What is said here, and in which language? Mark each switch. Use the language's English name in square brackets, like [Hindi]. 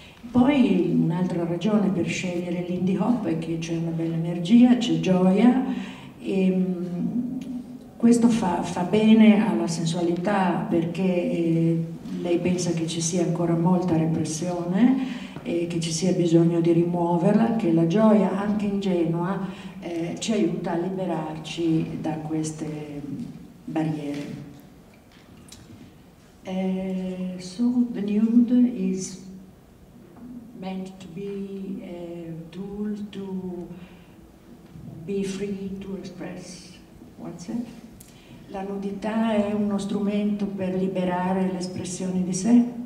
[Italian] Poi un'altra ragione per scegliere l'Indy Hop è che c'è una bella energia, c'è gioia, e questo fa bene alla sensualità, perché lei pensa che ci sia ancora molta repressione e che ci sia bisogno di rimuoverla, che la gioia, anche ingenua, ci aiuta a liberarci da queste barriere. [English] So the nude is meant to be a tool to be free to express oneself. [Italian] La nudità è uno strumento per liberare l'espressione di sé?